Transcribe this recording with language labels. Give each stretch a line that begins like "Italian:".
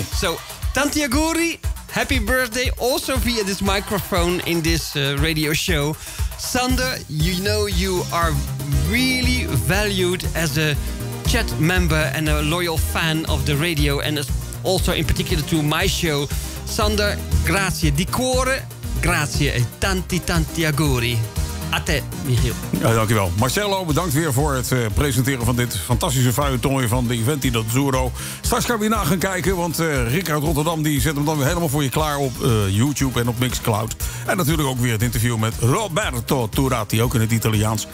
English: So,
Italian: Tanti auguri,
English: happy birthday, also via this microphone in this radio show. Sander, you know you are really valued as a chat member and a loyal fan of the radio, and also in particular to my show.
Italian: Sander, grazie di cuore, grazie e tanti tanti auguri. A te, Michiel.
Dutch: Ja, dankjewel. Marcello, bedankt weer voor het presenteren van dit fantastische feuilletonje van de Iventi d'Azzurro. Straks gaan we na gaan kijken, want Rick uit Rotterdam die zet hem dan weer helemaal voor je klaar op YouTube en op Mixcloud. En natuurlijk ook weer het interview met Roberto Turatti, ook in het Italiaans.